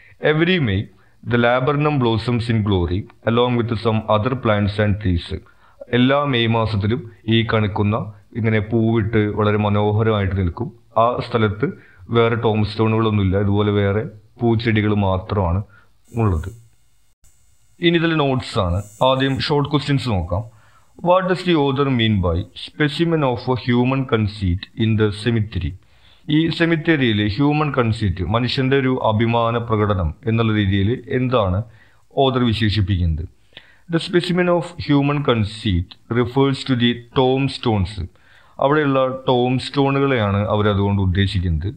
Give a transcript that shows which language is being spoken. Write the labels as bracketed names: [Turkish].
[English] Every May the laburnum blossoms in glory along with some other plants and trees. [Malayalam] എല്ലാ May മാസത്തിലും ഈ കണിക്കൊന്ന ഇങ്ങനെ പൂവിട്ട് വളരെ മനോഹരമായിട്ട് നിൽക്കും. ആ സ്ഥലത്ത് വേറെ ടോം സ്റ്റോണുകളൊന്നുമില്ല, ഇതുപോലെ വേറെ പൂച്ചെടികൾ മാത്രമാണ് ഉള്ളത്. ഇനി ഇതിലെ നോട്ട്സ് ആണ്. ആദ്യം ഷോർട്ട് ക്വസ്റ്റ്യൻസ് നോക്കാം. [English] What does the author mean by specimen of a human conceit in the cemetery? [Malayalam] ഈ സെമിത്തേരിയിലെ ഹ്യൂമൻ കൺസീറ്റ്, മനുഷ്യൻ്റെ ഒരു അഭിമാന പ്രകടനം എന്നുള്ള രീതിയിൽ എന്താണ് ഓദർ വിശേഷിപ്പിക്കുന്നത്? [English] The specimen of human conceit refers to the tombstones. [Malayalam] അവിടെയുള്ള ടോം സ്റ്റോണുകളെയാണ് അവരതുകൊണ്ട് ഉദ്ദേശിക്കുന്നത്.